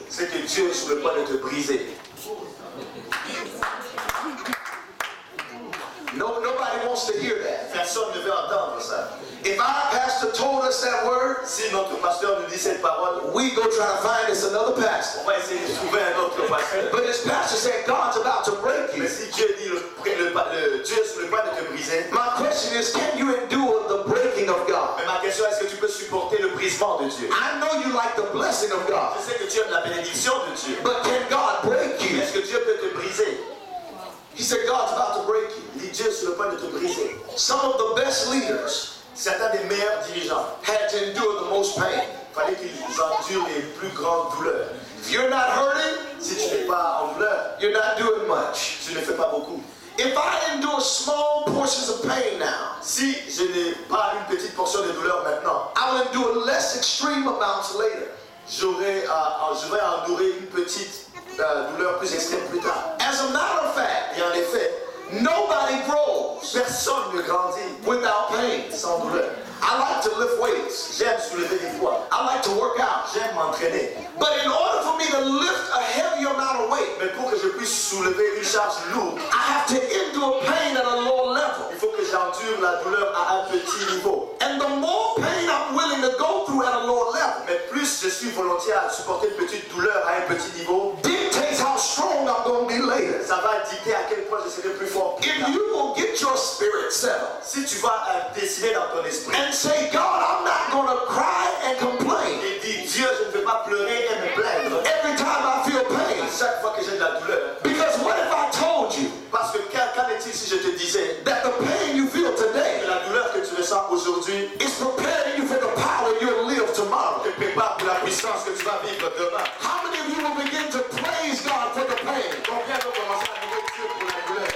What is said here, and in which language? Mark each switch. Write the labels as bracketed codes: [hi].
[fr] C'est que Dieu est sur le point de te briser. [en] No, nobody wants to hear that. [fr] Personne ne veut entendre ça. [en] If our pastor told us that word, [fr] si notre pasteur nous dit cette parole, [en] we go try to find us another pastor. [fr] On va essayer de trouver un autre pasteur. [en] But his pastor said, "God's about to break you." [fr] Mais si Dieu dit le Dieu est sur le point de te briser. [en] My question is, can you endure the breaking of God? [fr] Mais ma question est-ce que tu peux supporter le brisement de Dieu? [en] I know you like the blessing of God. [fr] Je sais que tu aimes la bénédiction de Dieu. [en] But can God break you? [fr] Est-ce que Dieu peut te briser? [en] He said, "God's about to break you." [fr] Il dit, Dieu est sur le point de te briser. [en] Some of the best leaders. [fr] Certains des meilleurs dirigeants [en] had to endure the most pain. [fr] Fallait qu'ils endurent les plus grandes douleurs. [en] If you're not hurting, [fr] si tu n'es pas en douleur, [en] you're not doing much. [fr] Tu ne fais pas beaucoup. [en] If I endure small portions of pain now, [fr] si je n'ai pas une petite portion de douleur maintenant, [en] I will endure less extreme amounts later. [fr] Je vais endurer une petite douleur plus extrême plus tard. [en] As a matter of fact, [fr] et en effet, [en] nobody grows. [fr] Personne ne grandit [en] without pain, [fr] sans douleur. [en] I like to lift weights. [fr] J'aime soulever des poids. [en] I like to work out. [fr] J'aime m'entraîner. [en] But in order for me to lift a heavy amount of weight, [fr] mais pour que je puisse soulever une charge lourde, [en] I have to endure pain at a low level. [fr] Il faut que j'endure la douleur à un petit niveau. [en] And the more pain I'm willing to go through at a low level, [fr] mais plus je suis volontiers à supporter une petite douleur à un petit niveau, [en] dictates how strong I'm going to be later. [fr] Ça va dicter à quel point je serai plus fort. [en] If you will get your spirit settled, [fr] si tu vas dessiner dans ton esprit. [en] And say, "God, I'm not going to cry and complain." [fr] Et dit, Dieu, je ne vais pas pleurer et me plaindre. [en] Every time I feel pain. [fr] À chaque fois que j'ai de la douleur. [en] Because what if I told you? [fr] Parce que qu'en est-il si je te disais? [en] That the pain you feel today. [fr] Que la douleur que tu ressens aujourd'hui. [en] Is preparing you for the power you'll live tomorrow. [fr] Te prépare pour la puissance que tu vas vivre demain. [en] How many of you will begin to praise God for the pain? [fr] Combien vont commencer à louer Dieu pour la douleur?